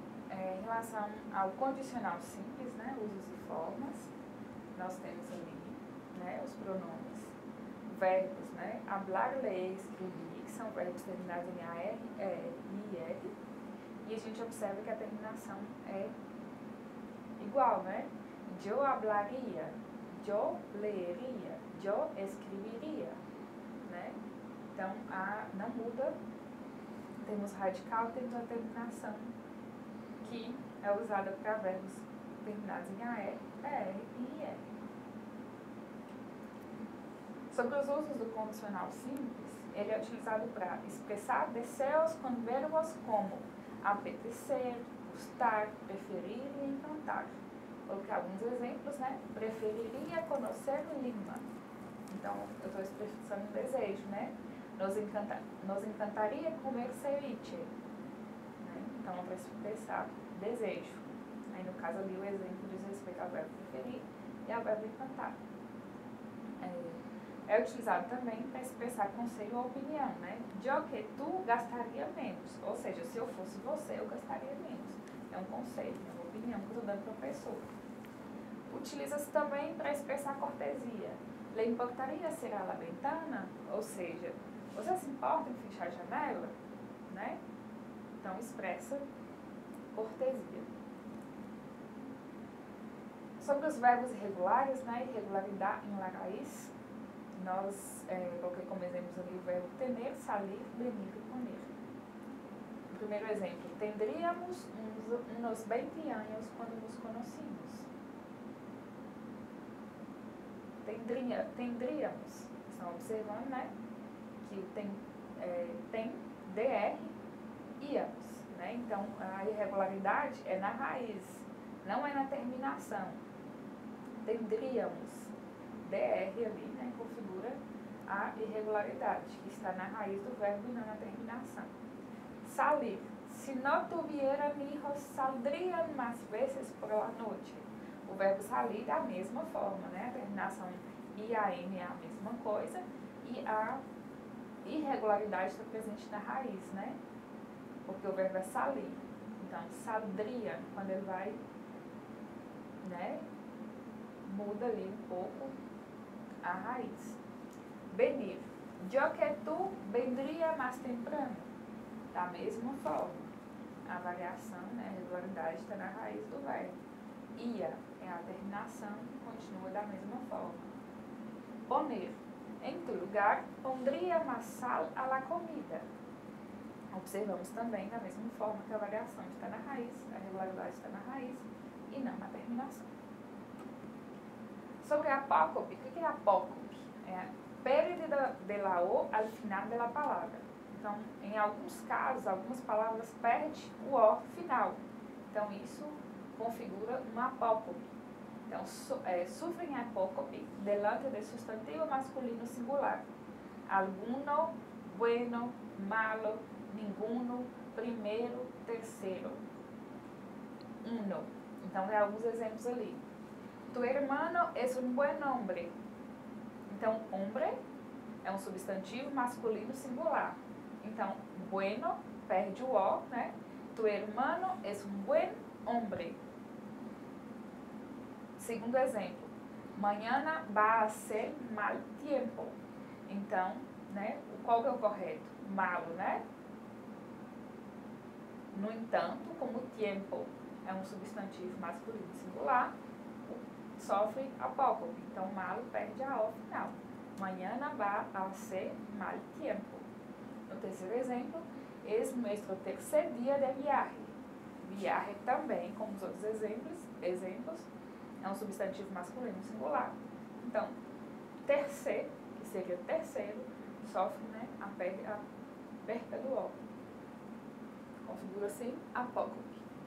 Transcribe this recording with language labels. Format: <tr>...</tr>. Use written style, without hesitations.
<pt>Em relação ao condicional simples, né, usos e formas, nós temos ali, né, os pronomes, verbos, né, hablar, ler, escrever, que são verbos terminados em AR, IR, e a gente observa que a terminação é igual, né?</pt> <es>Yo hablaría, yo leería, yo escribiría, né?</es> <pt>Então, a não muda, temos radical, temos a terminação que é usada para verbos terminados em AR, ER e IR. Sobre os usos do condicional simples, ele é utilizado para expressar desejos com verbos como apetecer, gostar, preferir e encantar. Coloquei alguns exemplos, né? Preferiria conhecer Lima. Então, eu estou expressando um desejo, né? Nos encantaria comer ceviche. Né? Então, para expressar desejo. Aí, no caso ali, o exemplo diz respeito ao verbo preferir e ao verbo encantar. É utilizado também para expressar conselho ou opinião, né?</pt> <es>Yo que tú gastaría menos.</es> <pt>Ou seja, se eu fosse você, eu gastaria menos. É um conselho, é uma opinião que eu estou dando para a pessoa. Utiliza-se também para expressar cortesia.</pt> <es>Le importaría cerrar la ventana?</es> <pt>Ou seja, você se importa em fechar a janela? Né? Então, expressa cortesia. Sobre os verbos irregulares, né?</pt> <es>Irregularidad en la raíz.</es> <pt>Nós coloquei como exemplos ali o verbo tener, salir, venir e poner. O primeiro exemplo, tendríamos uns 20 anos quando nos conhecíamos. Tendríamos. Estão observando, né? Que tem DR, íamos. Né? Então, a irregularidade é na raiz, não é na terminação. Tendríamos. DR ali, né, configura a irregularidade, que está na raiz do verbo e não na terminação.</pt> <es>Salir. Se não tuviera hijos, saldría más veces por la noche.</es> <pt>O verbo salir da mesma forma, né, a terminação IAM é a mesma coisa e a irregularidade está presente na raiz, né, porque o verbo é salir. Então, saldría, quando ele vai, né, muda ali um pouco a raiz.</pt> <es>Venir. Yo que tú vendría más temprano.</es> <pt>Da mesma forma. A variação, né, a regularidade está na raiz do verbo. Ia é a terminação e continua da mesma forma.</pt> <es>Poner. Em tu lugar, pondría más sal a la comida.</es> <pt>Observamos também da mesma forma que a variação está na raiz, a regularidade está na raiz e não na terminação. Sobre apócope, o que é apócope? É a</pt> <es>pérdida de la O al final de la palavra.</es> <pt>Então, em alguns casos, algumas palavras perdem o O final. Então, isso configura uma apócope. Então, sufrem apócope delante de sustantivo masculino singular. Alguno, bueno, malo, ninguno, primeiro, terceiro. Uno. Então, tem alguns exemplos ali.</pt> <es>Tu hermano es un buen hombre.</es> <pt>Então, hombre é um substantivo masculino singular. Então, bueno perde o O, né?</pt> <es>Tu hermano es un buen hombre. Segundo exemplo. Mañana va a ser mal tiempo.</es> <pt>Então, né? Qual é o correto? Malo, né? No entanto, como tiempo é um substantivo masculino singular, sofre apócope. Então, malo perde a O final.</pt> <es>Mañana va a ser mal tiempo.</es> <pt>No terceiro exemplo,</pt> <es>es nuestro tercer día de viaje.</es> <pt>Viaje também, como os outros exemplos, é um substantivo masculino singular. Então, tercer, que seria terceiro, sofre, né, a perda do O. Configura assim apócope.</pt>